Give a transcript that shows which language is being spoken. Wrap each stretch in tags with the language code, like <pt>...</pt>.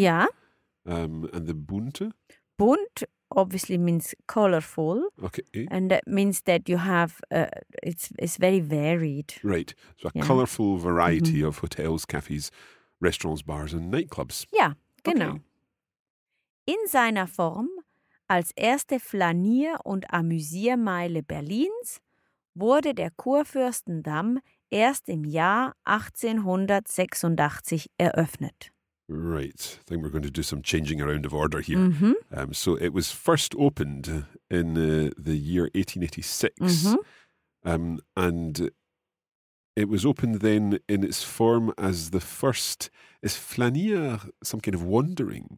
<en>Yeah. And the bunte? Bunt obviously means colorful. Okay. And that means that you have, it's very varied. Right. So a colorful variety of hotels, cafes, restaurants, bars and nightclubs.</en> <de>Ja, genau. In seiner Form als erste Flanier- und Amüsiermeile Berlins wurde der Kurfürstendamm erst im Jahr 1886 eröffnet.</de> <en>Right. I think we're going to do some changing around of order here. Mm-hmm. So it was first opened in the year 1886. Mm-hmm. And it was opened then in its form as the first. Is flanier some kind of wandering?</en>